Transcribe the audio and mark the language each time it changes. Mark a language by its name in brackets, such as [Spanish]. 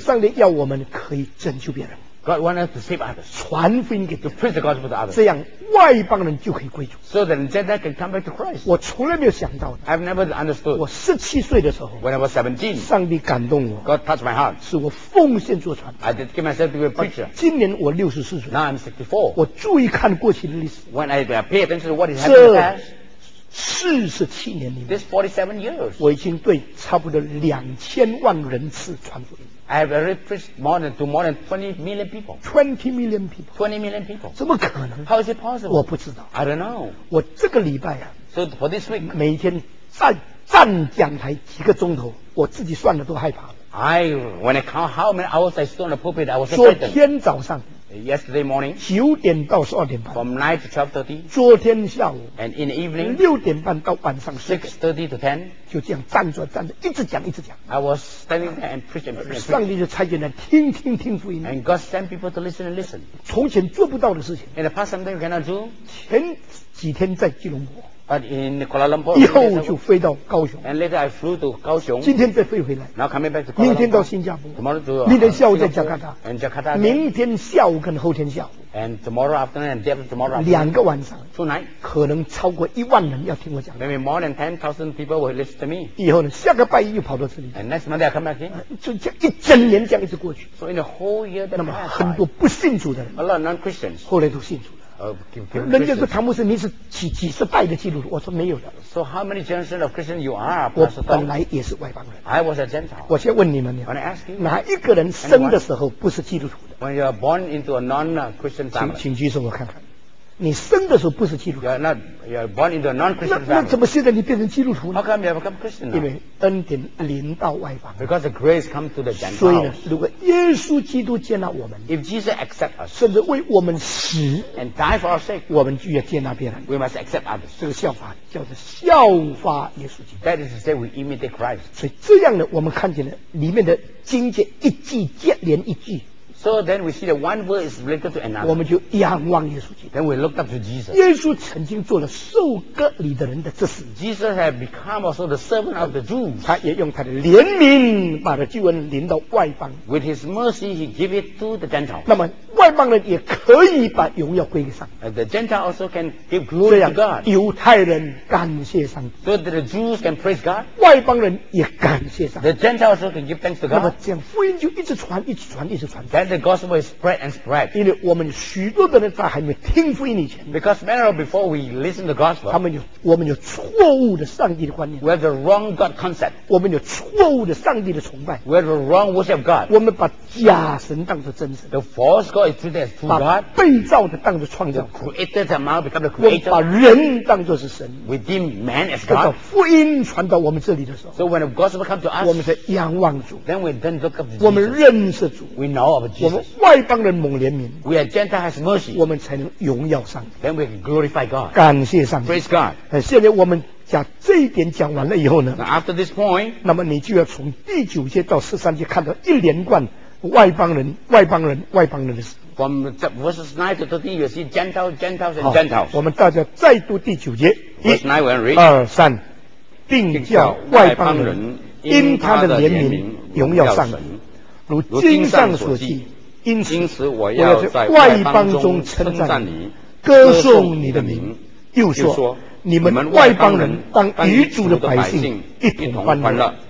[Chinese] 上帝要我们可以拯救别人 [English] God wants us to save others. [Chinese] 传福音给 [English] To preach the gospel to others. [Chinese] 这样外邦人就可以归主。 [English] So that then they can come back to Christ. [Chinese] 我从来没有想到的。 [English] I've never understood. [Chinese] 我十七岁的时候。 [English] When I was 17. [Chinese] 上帝感动我。 [English] God touched my heart. [Chinese] 使我奉献做传 [English] 道。I did give myself to be a preacher. [Chinese] 今年我64岁。 [English] Now I'm 64. [Chinese] 我注意看过去的历史。 [English] When I pay attention to what is happening in the past. [Chinese] 47年里面 [English] This 47 years, [Chinese] 我已经对差不多2000万人次传福音 [English] I have already preached more than 20 million people 20 million people [Chinese] 怎么可能 [English] How is it possible? [Chinese] 我不知道 [English] I don't know [Chinese] 我这个礼拜、啊、 [English] So for this week [Chinese] 每天 站讲台几个钟头我自己算了都害怕 [English] When I count how many hours I stood on the pulpit I was afraid [Chinese] 昨天早上 [English] Yesterday morning, 9:00 to 12:30, from 9 to 12:30, [Chinese] 昨天下午 [English] and in the evening, 6:30 to [Chinese] 晚上 [English] 6:30 to 10, [Chinese] 就这样站着站着，一直讲一直讲。 [English] I was standing there and preaching, preaching. [Chinese] 上帝就差遣人听福音。 [English] And God sent people to listen and listen. [Chinese] 从前做不到的事情。 [English] In the past, something you cannot do. [Chinese] 前几天在吉隆坡。 [English] But in Kuala Lumpur, [Chinese] 以后就飞到高雄。 [English] And later I flew to 高雄。 [Chinese] 今天再飞回来。 [English] Now coming back to Kuala [Chinese] Lumpur. 明天到新加坡。 [English] Tomorrow to. [Chinese] 明天下午在加卡塔。 [English] And Jakarta. [Chinese] 明天下午跟后天下午。 [English] And tomorrow afternoon and tomorrow afternoon. [Chinese] 两个晚上。 [English] Two nights. [Chinese] 可能超过10,000人要听我讲。 [English] Maybe more than 10,000 people will listen to me. [Chinese] 以后呢，下个拜一又跑到这里。 [English] And next Monday I come back here. [Chinese] 就这一整年这样一直过去。 [English] So in the whole year, [Chinese] 那么很多不信主的人。 [English] A lot of non-Christians. [Chinese] 后来都信主。人家说唐牧师你是几十代的基督徒我说没有的 [English] So how many generations of Christians you are [Chinese] 我本来也是外邦人 [English] I was a Gentile [Chinese] 我先问你们 [English] I want to ask you [Chinese] 哪一个人生的时候不是基督徒的 [English] When you are born into a non-Christian family [Chinese] 请举手我看看你生的时候不是基督徒 [English] You are born into a non-Christian family [Chinese] 那怎么现在你变成基督徒呢 [English] How come you have become Christian now? [Chinese] 因为恩典临到外邦 [English] Because the grace comes to the Gentiles [Chinese] 所以呢如果耶稣基督接纳我们 [English] If Jesus accept us [Chinese] 甚至为我们死 [English] And die for our sake [Chinese] 我们就要接纳别人 [English] We must accept others [Chinese] 这个效法叫做效法耶稣基督 [English] That is to say we imitate Christ [Chinese] 所以这样呢我们看见了里面的经节一句接连一句 [English] So then we see that one word is related to another. [Chinese] 我们就仰望耶稣基督。 [English] Then we looked up to Jesus. [Chinese] 耶稣曾经做了受割礼的人的执事。 [English] Jesus had become also the servant of the Jews. [Chinese] 他也用他的怜悯把这救恩领到外邦。 [English] With his mercy, he gave it to the Gentiles. [Chinese] 那么外邦人也可以把荣耀归给上帝。 [English] The Gentiles also can give glory to God. [Chinese] 犹太人感谢上帝。 [English] So that the Jews can praise God. [Chinese] 外邦人也感谢上帝。 [English] The Gentiles also can give thanks to God. [Chinese] 那么这样福音就一直传，一直传，一直传。 [English] Then the gospel is spread and spread. [Chinese] 因为我们许多的人在还没听福音以前 [English] ，Because many of before we listen the gospel， [Chinese] 他们有我们有错误的上帝的观念。 [English] We have the wrong God concept. [Chinese] 我们有错误的上帝的崇拜。 [English] We have the wrong worship of God. [Chinese] 我们把假神当作真神。 [English] The false God. [Chinese] 把被造的当作创造 [English] created the man become the creator [Chinese] 把人当作是神 [English] we deem man as God [Chinese] 当福音传到我们这里的时候 [English] so when the gospel comes to us [Chinese] 我们是仰望主 [English] then we then look up to Jesus [Chinese] 我们认识主 [English] we know of Jesus [Chinese] 我们外邦人蒙怜悯 [English] we are Gentile has mercy [Chinese] 我们才能荣耀上帝 [English] then we can glorify God [Chinese] 感谢上帝 [English] praise God [Chinese] 现在我们讲这一点讲完了以后呢 [English] now after this point [Chinese] 那么你就要从第九节到十三节看到一连贯外邦人外邦人外邦人的事 [English] From verses 9 to 13, you see Gentiles, Gentiles, and Gentiles. [Chinese] 我们大家再读第九节。 [English] Verse 9, we read. [Chinese] 二三，定叫外邦人因他的怜悯荣耀上帝，如经上所记。因此我要在外邦中称赞你，歌颂你的名。又说，你们外邦人当与主的百姓一同欢乐。